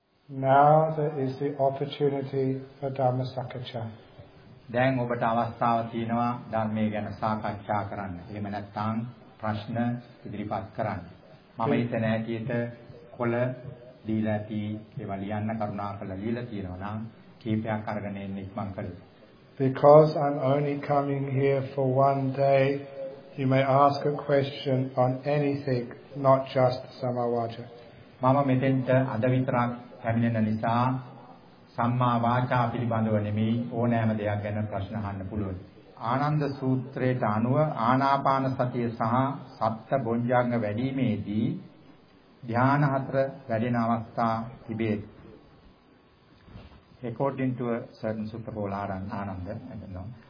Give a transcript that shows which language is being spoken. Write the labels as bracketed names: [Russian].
[English] Now there is the opportunity for Dhamma Sakaccha. [Sinhala] දැන් ඔබට අවස්ථාව තියෙනවා ධර්මයේ ගැන සාකච්ඡා කරන්න. එහෙම නැත්නම් ප්‍රශ්න ඉදිරිපත් කරන්න. මම හිතන ඇටියට කොළ දීලා තී ඒවා ලියන්න කරුණාකරලා ලියලා තියෙනවා නම් කීපයක් අරගෙන එන්න ඉක්මන් කළොත්. [English] Because I'm only coming here for one day, you may ask a question on anything, not just Samavaca. [Sinhala] මම මෙතෙන්ට අද විතරක් පැමිණෙන නිසා සම්මා වාචා පිළිබඳව නෙමෙයි ඕනෑම දෙයක් ගැන ප්‍රශ්න අහන්න පුළුවන්. ආනන්ද සූත්‍රයට අනුව ආනාපාන සතිය සහ සත්ත බොඤ්ජංග වැඩිීමේදී ධ්‍යාන හතර වැඩෙන අවස්ථා තිබේ. [English] According to a certain sutta pole Ananda, I don't know.